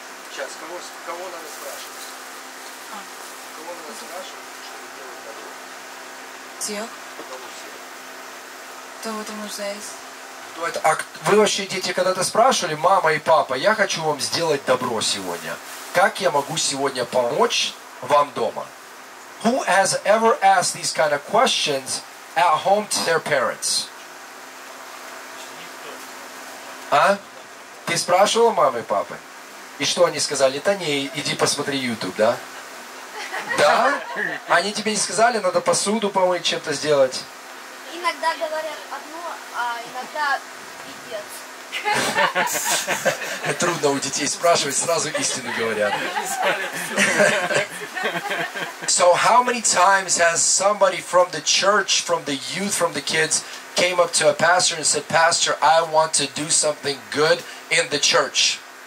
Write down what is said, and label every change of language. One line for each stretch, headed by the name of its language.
Russian: Сейчас, кого надо спрашивать? Кого надо спрашивать, чтобы делать добро? хотел. Кто в этом нуждается? А вы вообще, дети, когда-то спрашивали, мама и папа, я хочу вам сделать добро сегодня. Как я могу сегодня помочь вам дома?
English: Who has ever asked these kind of questions at home to their parents?
Russian: А? Ты спрашивала мамы и папы? И что они сказали? Да не, иди посмотри YouTube, да? Да? Они тебе не сказали, надо посуду помыть, чем-то сделать? Иногда говорят одно, а иногда пипец. Трудно у детей спрашивать, сразу истину говорят.
English: So how many times has somebody from the church, from the youth, from the kids came up to a pastor and said, Pastor, I want to do something good in the church?